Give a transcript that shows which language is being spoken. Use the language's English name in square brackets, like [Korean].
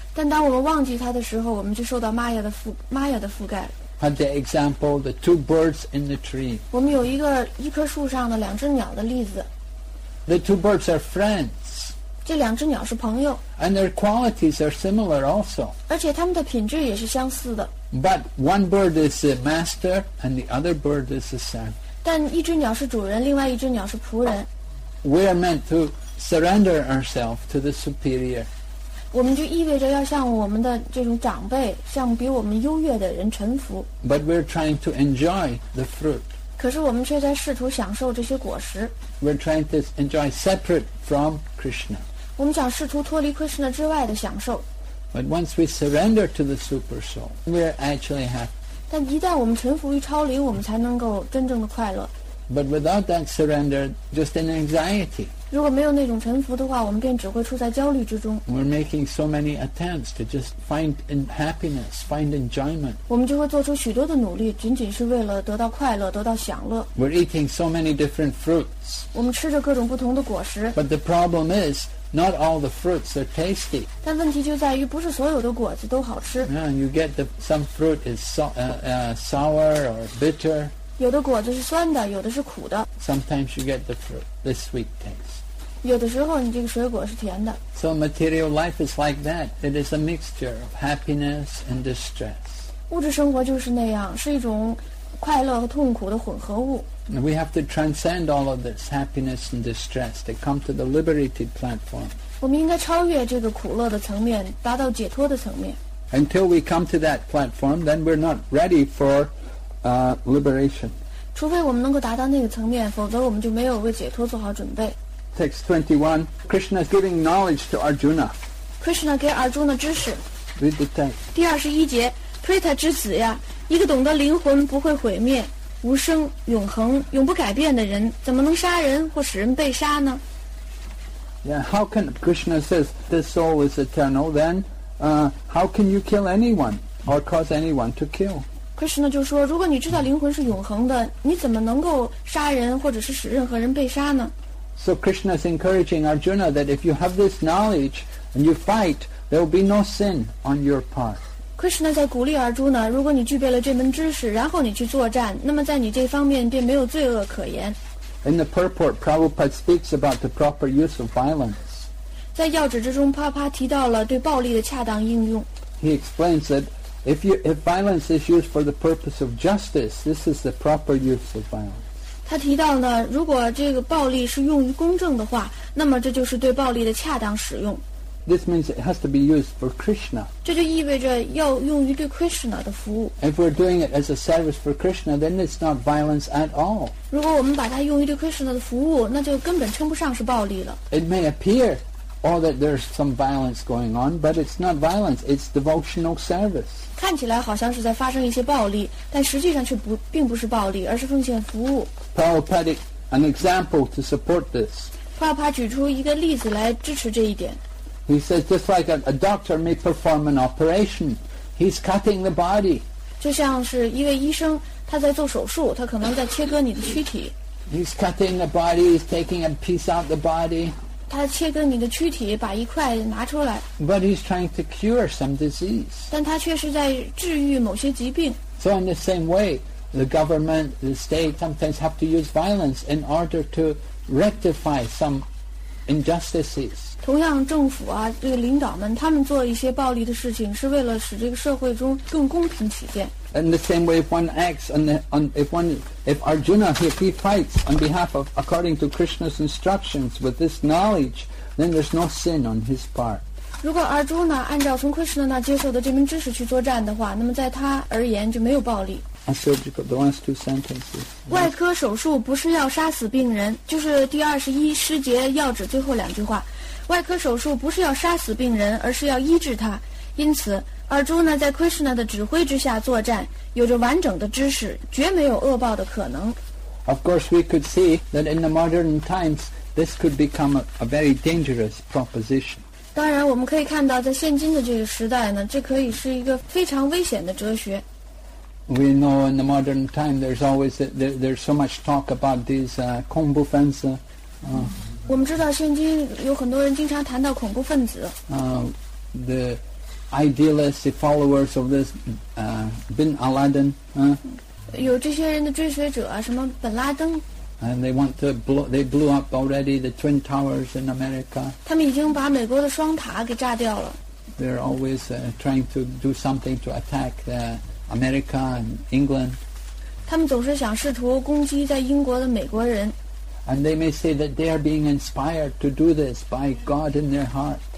[Chinese] 但当我们忘记他的时候，我们就受到 Maya 的覆盖。 [English] Had the example, the two birds in the tree. [Chinese] 我们有一棵树上的两只鸟的例子。 [English] The two birds are friends. [Chinese] 这两只鸟是朋友。 [English] And their qualities are similar also. [Chinese] 而且它们的品质也是相似的。 [English] But one bird is the master, and the other bird is the servant. [Chinese] 但一只鸟是主人，另外一只鸟是仆人。 [English] We are meant to surrender ourselves to the superior. [Chinese] 我们就意味着要向我们的这种长辈，向比我们优越的人臣服。 [English] But we're trying to enjoy the fruit. [Chinese] 可是我们却在试图享受这些果实。 [English] We're trying to enjoy separate from Krishna. [Chinese] 我们想试图脱离 Krishna 之外的享受。 [English] But once we surrender to the super soul, we're actually happy. [Chinese] 但一旦我们臣服于超灵，我们才能够真正的快乐。 [English] But without that surrender, just an anxiety. [Chinese] 如果没有那种臣服的话，我们便只会处在焦虑之中。 [English] We're making so many attempts to just find happiness, find enjoyment. [Chinese] 我们就会做出许多的努力，仅仅是为了得到快乐，得到享乐。 [English] We're eating so many different fruits. [Chinese] 我们吃着各种不同的果实。 [English] But the problem is. Not all the fruits are tasty. [Chinese] 但问题就在于不是所有的果子都好吃。 [English] Yeah, you get some fruit is sour or bitter. [Chinese] 有的果子是酸的，有的是苦的。 [English] Sometimes you get the fruit, the sweet taste. [Chinese] 有的时候你这个水果是甜的。 [English] So material life is like that. It is a mixture of happiness and distress. [Chinese] 物质生活就是那样，是一种快乐和痛苦的混合物。 [English] We have to transcend all of this happiness and distress to come to the liberated platform. [Chinese] 我们应该超越这个苦乐的层面，达到解脱的层面。 [English] Until we come to that platform, then we're not ready for liberation. [Chinese] 除非我们能够达到那个层面，否则我们就没有为解脱做好准备。 [English] Text 21, Krishna is giving knowledge to Arjuna. [Chinese] Krishna 给 Arjuna 知识。 [English] Read the text. [Chinese] 第二十一节 ，Prita 之子呀，一个懂得灵魂不会毁灭。无生永恒永不改变的人怎么能杀人或使人被杀呢 [English] Yeah, how can Krishna says this soul is eternal then how can you kill anyone or cause anyone to kill [Chinese] Krishna 就说如果你知道灵魂是永恒的你怎么能够杀人或者是使任何人被杀呢 [English] So Krishna is encouraging Arjuna that if you have this knowledge and you fight there will be no sin on your part [Chinese] Krishna 在鼓励阿朱呢如果你具备了这门知识然后你去作战那么在你这方面便没有罪恶可言 [English] In the purport, Prabhupada speaks about the proper use of violence. [Chinese] 在要旨之中帕帕提到了对暴力的恰当应用 [English] He explains that if violence is used for the purpose of justice, this is the proper use of violence. [Chinese] 他提到呢如果这个暴力是用于公正的话那么这就是对暴力的恰当使用 [English] This means it has to be used for Krishna. [Chinese] 这就意味着要用于对 Krishna 的服务。 [English] If we're doing it as a service for Krishna, then it's not violence at all. [Chinese] 如果我们把它用于对 Krishna 的服务，那就根本称不上是暴力了。 [English] It may appear all that there's some violence going on, but it's not violence. It's devotional service. [Chinese] 看起来好像是在发生一些暴力，但实际上却并不是暴力，而是奉献服务。 [English] Prabhupada, an example to support this. [Chinese] 帕帕举出一个例子来支持这一点。 [English] He says, just like a doctor may perform an operation, he's cutting the body. [Chinese] 就像是一位医生，他在做手术，他可能在切割你的躯体。 [English] He's cutting the body, he's taking a piece out the body. [Chinese] 他切割你的躯体，把一块拿出来。 [English] But he's trying to cure some disease. [Chinese] 但他却是在治愈某些疾病。 [English] So in the same way, the government, the state sometimes have to use violence in order to rectify some injustices. [Chinese] 同样，政府啊，这个领导们，他们做一些暴力的事情，是为了使这个社会中更公平起见。 [English] In the same way, if one acts if Arjuna, if he fights on behalf of, according to Krishna's instructions, with this knowledge, then there's no sin on his part. [Chinese] 如果 Arjuna 按照从 Krishna 那接受的这门知识去作战的话，那么在他而言就没有暴力。 [English] A surgical, the last two sentences. [Chinese] 外科手术不是要杀死病人，就是第二十一师节要旨最后两句话。外科手术不是要杀死病人，而是要医治他。因此，尔朱呢在 Krishna 的指挥之下作战，有着完整的知识，绝没有恶报的可能。 [English] Of course, we could see that in the modern times, this could become a very dangerous proposition. [Chinese] 当然，我们可以看到，在现今的这个时代呢，这可以是一个非常危险的哲学。 [English] We know in the modern time, there's so much talk about these Kongbu fans. [Chinese] 我们知道现今有很多人经常谈到恐怖分子。 [English] The idealists, the followers of this Bin Laden. [Chinese] 有这些人的追随者啊，什么本拉登。 [English] And they want to blew up already the Twin Towers in America. [Chinese] 他们已经把美国的双塔给炸掉了。 [English] They're always trying to do something to attack America and England. [Chinese] 他们总是想试图攻击在英国的美国人。 [English] And they may say that they are being inspired to do this by God in their heart.